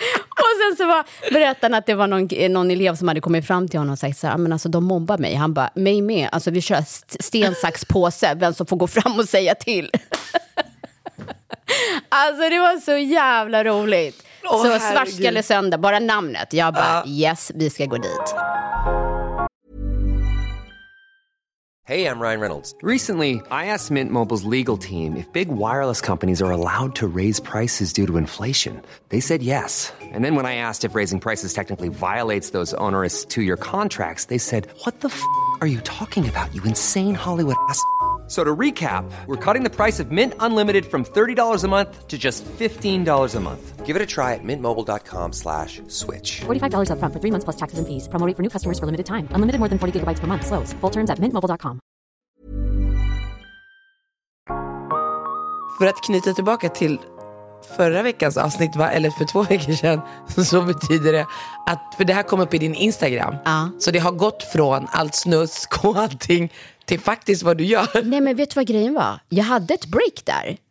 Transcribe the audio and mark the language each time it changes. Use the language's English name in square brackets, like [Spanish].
[Swedish] Och sen så berättade han att det var någon elev som hade kommit fram till honom och sagt så här, men alltså de mobbar mig. Han bara, mig med. Alltså vi kör stensaxpåse, vem som får gå fram och säga till. Alltså det var så jävla roligt. Åh, så svarskade söndag, bara namnet. Jag bara, yes, vi ska gå dit. [English] Hey, I'm Ryan Reynolds. Recently, I asked Mint Mobile's legal team if big wireless companies are allowed to raise prices due to inflation. They said yes. And then when I asked if raising prices technically violates those onerous two-year contracts, they said, what the f*** are you talking about, you insane Hollywood ass f***? So to recap, we're cutting the price of Mint Unlimited from $30 a month to just $15 a month. Give it a try at mintmobile.com/switch. $45 up front for 3 months plus taxes and fees. Promo rate for new customers for limited time. Unlimited more than 40 gigabytes per month. Slows full terms at mintmobile.com. [Swedish] För att knyta tillbaka till förra veckans avsnitt, va? Eller för 2 veckor sedan, så betyder det att, för det här kom upp i din Instagram. Så det har gått från allt snusk och allting till faktiskt vad du gör. Nej, men vet du vad grejen var? Jag hade ett break där.